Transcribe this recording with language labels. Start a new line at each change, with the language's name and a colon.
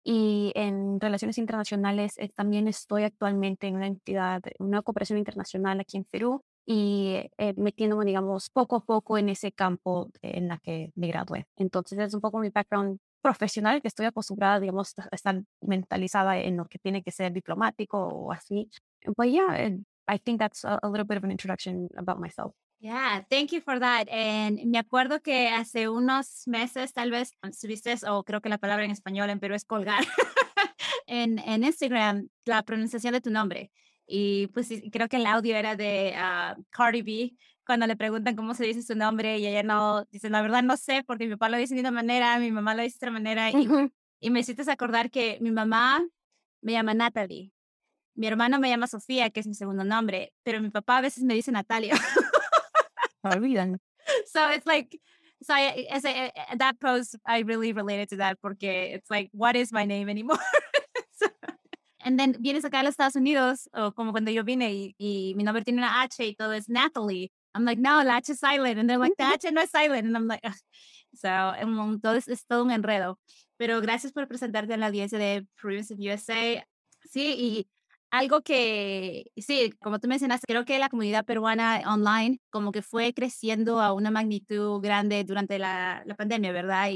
Spanish: Y en relaciones internacionales también estoy actualmente en una entidad, una cooperación internacional aquí en Perú y metiéndome, digamos, poco a poco en ese campo en la que me gradué. Entonces es un poco mi background profesional, que estoy acostumbrada, digamos, a estar mentalizada en lo que tiene que ser diplomático o así.
English: But yeah, I think that's a little bit of an introduction about myself. Yeah, thank you for that. And
Spanish: me acuerdo que hace unos meses, tal vez, subiste, o creo que la palabra en español en Perú es colgar, en Instagram, la pronunciación de tu nombre. Y pues creo que el audio era de Cardi B, cuando le preguntan cómo se dice su nombre, y ella no, dice, la verdad no sé, porque mi papá lo dice de una manera, mi mamá lo dice de otra manera. Y me hiciste acordar que mi mamá me llama Natalie, mi hermano me llama Sofía, que es mi segundo nombre, pero mi papá a veces me dice Natalia.
English: So it's like, so I that post, I really related to that porque it's like, what is my name anymore? So, and then
Spanish: vienes acá a los Estados Unidos, o como cuando yo vine y mi nombre tiene una H y todo es Natalie.
English: I'm like, no, la H is silent. And they're like, the H
Spanish: no es
English: silent. And I'm like, ugh. So
Spanish: entonces es todo un enredo. Pero gracias por presentarte en la audiencia de Peruvians of USA. Sí, y algo que, sí, como tú mencionaste, creo que la comunidad peruana online como que fue creciendo a una magnitud grande durante la pandemia, ¿verdad?